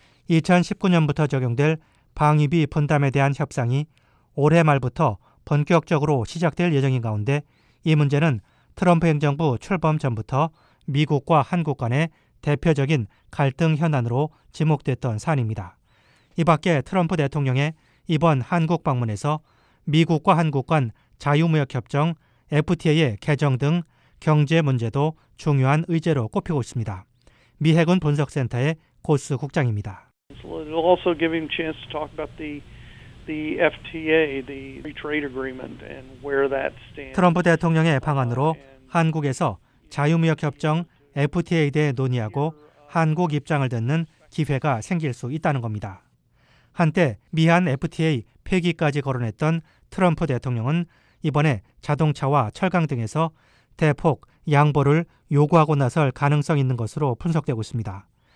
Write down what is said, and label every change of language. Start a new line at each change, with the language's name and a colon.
Korean: 2019년부터 적용될 방위비 분담에 대한 협상이 올해 말부터 본격적으로 시작될 예정인 가운데 이 문제는 트럼프 행정부 출범 전부터 미국과 한국 간의 대표적인 갈등 현안으로 지목됐던 사안입니다. 이 밖에 트럼프 대통령의 이번 한국 방문에서 미국과 한국 간 자유무역협정 FTA의 개정 등 경제 문제도 중요한 의제로 꼽히고 있습니다. 미 해군 분석센터의 고스 국장입니다.
English: It'll also give him chance to talk about the FTA, the free trade agreement, and where that stands.
Korean: 트럼프 대통령의 방안으로 한국에서 자유무역협정 FTA에 대해 논의하고 한국 입장을 듣는 기회가 생길 수 있다는 겁니다. 한때 미한 FTA 폐기까지 거론했던 트럼프 대통령은 이번에 자동차와 철강 등에서 대폭 양보를 요구하고 나설 가능성이 있는 것으로 분석되고 있습니다.